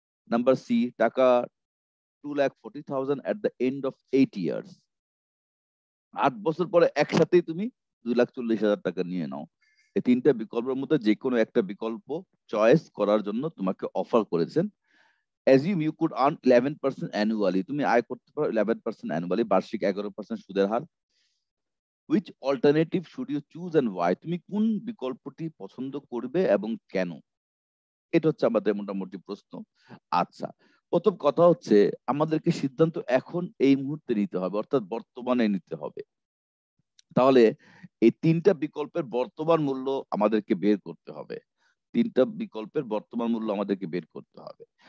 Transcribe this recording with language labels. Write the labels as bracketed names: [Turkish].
[Bangla] Number C, টাকা 2,40,000 [English] at the end of 8 years, [Bangla] 8 বছর পরে একসাথেই তুমি 2,40,000 টাকা নিয়ে নাও। এই তিনটা বিকল্পের মধ্যে যে কোনো একটা বিকল্প চয়েস করার জন্য তোমাকে অফার করেছেন। [English] assume you could earn 11% annually, [Bangla] তুমি আয় করতে পারো 11% অ্যানুয়ালি, বার্ষিক 11% সুদের হার। [English] Which alternative should you choose and why? [Bangla] তুমি কোন বিকল্পটি পছন্দ করবে এবং কেন? এটা হচ্ছে আমাদের মোটামুটি প্রশ্ন। আচ্ছা, প্রথম কথা হচ্ছে আমাদেরকে সিদ্ধান্ত এখন এই মুহূর্তে নিতে হবে, অর্থাৎ বর্তমানে নিতে হবে। তাহলে এই তিনটা বিকল্পের বর্তমান মূল্য আমাদেরকে বের করতে হবে, তিনটা বিকল্পের বর্তমান মূল্য আমাদেরকে বের করতে হবে।